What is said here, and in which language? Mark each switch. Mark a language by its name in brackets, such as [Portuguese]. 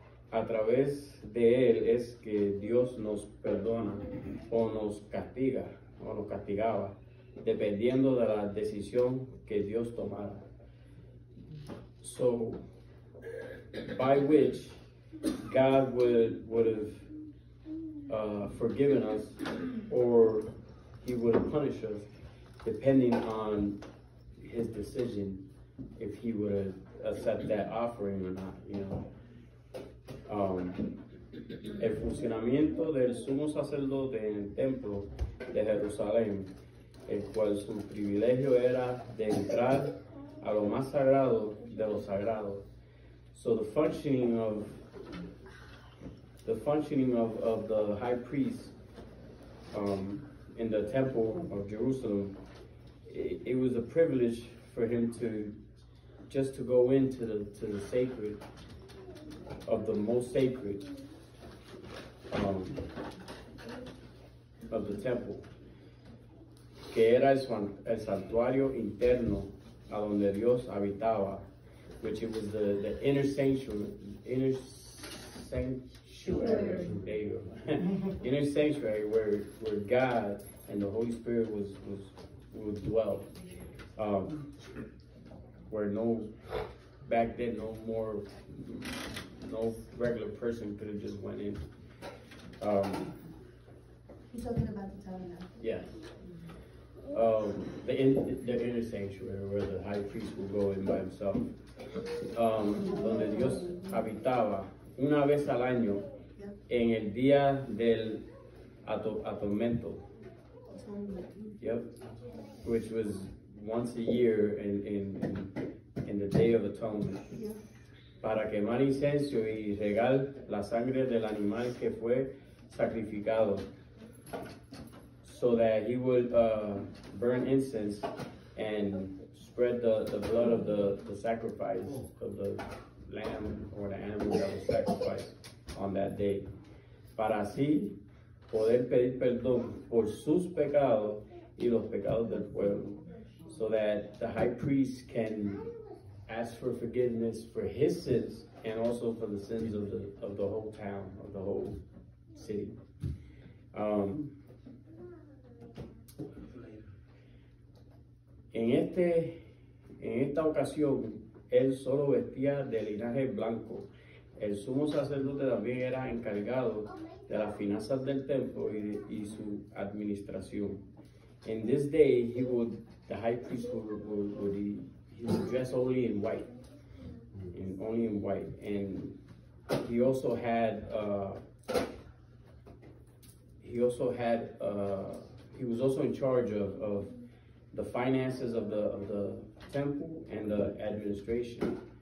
[Spanish] A través de él es que Dios nos perdona o nos castiga o nos castigaba, dependiendo de la decisión que Dios tomara. [English] So, by which God would have forgiven us, or he would have punished us, depending on his decision, if he would accept that offering or not, you know. [Spanish] El funcionamiento del sumo sacerdote en el templo de Jerusalén, el cual su privilegio era de entrar a lo más sagrado de lo sagrado. [English] So the functioning of the high priest in the temple of Jerusalem, it was a privilege for him to just to go into the sacred of the most sacred of the temple, [Spanish] que era el santuario interno a donde Dios habitaba, [English] which it was the inner sanctuary where God and the Holy Spirit would dwell, where no regular person could have just went in. He's talking about the tabernacle. Yeah. The inner sanctuary where the high priest would go in by himself. [Spanish] Donde Dios habitaba una vez al año en el día del atormento. [English] Yep. Which was once a year in the Day of Atonement. Yeah. [Spanish] Para quemar incenso y regar la sangre del animal que fue sacrificado, [English] so that he would burn incense and spread the blood of the sacrifice of the lamb or the animal that was sacrificed on that day. [Spanish] Para así poder pedir perdón por sus pecados y los pecados del pueblo, [English] so that the high priest can ask for forgiveness for his sins and also for the sins of the whole town, of the whole city. [Spanish] En esta ocasión, él solo vestía de linaje blanco. El sumo sacerdote también era encargado de las finanzas del templo y su administración. [English] In this day, he would dress only in white, and only in white. And he also had, he was also in charge of the finances of the temple and the administration.